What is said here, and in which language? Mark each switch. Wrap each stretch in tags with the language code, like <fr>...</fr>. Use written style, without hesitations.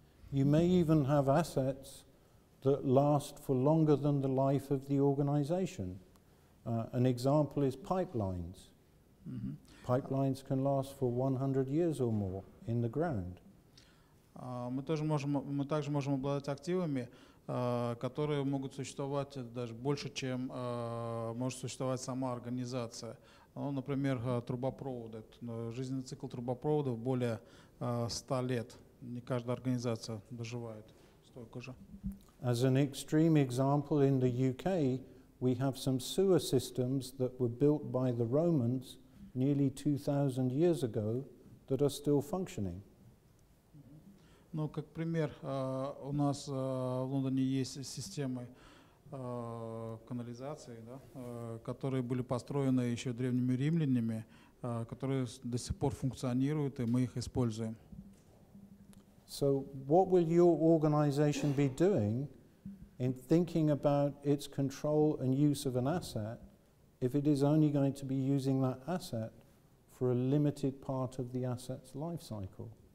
<en>You may even have assets that last for longer than the life of the organization. An example is pipelines. Mm-hmm. Pipelines can last for 100 years or more in the ground.</en> <ru>Мы также можем обладать активами, которые могут существовать даже больше, чем может существовать сама организация. Ну, например, трубопроводы. Жизненный цикл трубопроводов более 100 лет. Не каждая организация доживает столько же.</ru> <en>As an extreme example, in the UK, we have some sewer systems that were built by the Romans nearly 2000 years ago that are still functioning.</en> <ru>Ну, как пример, у нас в Лондоне есть системы канализации, да, которые были построены еще древними римлянами, которые до сих пор функционируют, и мы их используем.</ru> <en>So what will your organization be doing in thinking about its control and use of an asset if it is only going to be using that asset for a limited part of the asset's life cycle?</en>